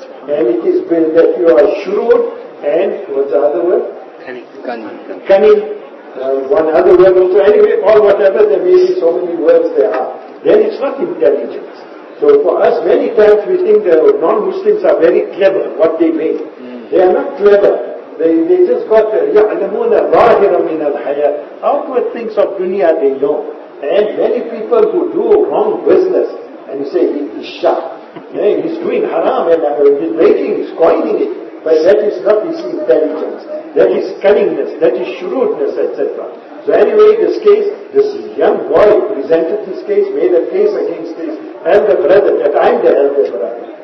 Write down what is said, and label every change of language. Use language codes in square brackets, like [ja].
[en] And it is when that you are shrewd and, what's the other word? Cunning. One other word also, anyway, or whatever, there may be so many words there are. Then it's not intelligence. So for us, many times we think that non-Muslims are very clever, what they mean. They are not clever. They just got, [ar] يَعْلَمُونَ ظَاهِرًا مِنَ الْحَيَاةِ. [en] Outward things of dunya they know. And many people who do wrong business, and say, he's sharp. He's doing haram, and he's making, he's coining it. But that is not his intelligence. That is cunningness, that is shrewdness, etc. So anyway, this young boy presented his case, made a case against his elder brother, that I'm the elder brother.